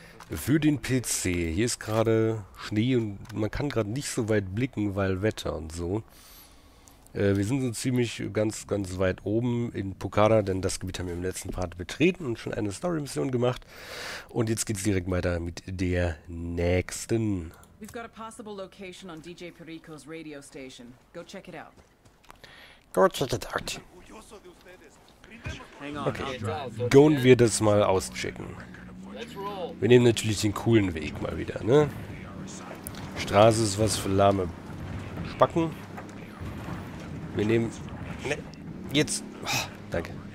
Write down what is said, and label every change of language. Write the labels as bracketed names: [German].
[German] Für den PC. Hier ist gerade Schnee und man kann gerade nicht so weit blicken, weil Wetter und so. Wir sind so ziemlich ganz weit oben in Pucara, denn das Gebiet haben wir im letzten Part betreten und schon eine Story-Mission gemacht. Und jetzt geht's direkt weiter mit der nächsten. [English] We've got a possible location on DJ Perico's radio station. Go check it out. Go check it out. [German] Okay, gehen wir das mal auschecken. Wir nehmen natürlich den coolen Weg mal wieder, ne? Straße ist was für lahme Spacken. Wir nehmen... Ne, jetzt... Oh, danke.